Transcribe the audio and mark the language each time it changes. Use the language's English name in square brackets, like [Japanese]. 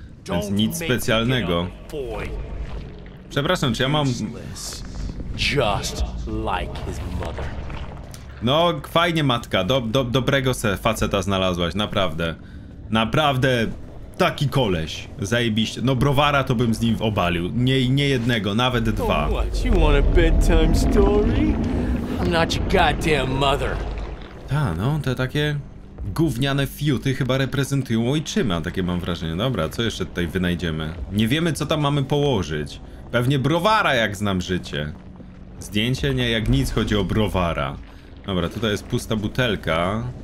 [Polish] Więc nic specjalnego. Przepraszam, czy ja mam... [English] Just like his mother. [Polish] No, fajnie matka, dobrego se faceta znalazłaś, naprawdę. Naprawdę taki koleś, zajebiście. No, browara to bym z nim obalił, nie jednego, nawet dwa. [English] Oh, what, you want a bedtime story? I'm not your goddamn mother. [Polish] Ta, no, te takie gówniane fiuty chyba reprezentują ojczyma, takie mam wrażenie. Dobra, co jeszcze tutaj wynajdziemy? Nie wiemy, co tam mamy położyć. Pewnie browara, jak znam życie. Zdjęcie? Nie, jak nic, chodzi o browara. Dobra, tutaj jest pusta butelka.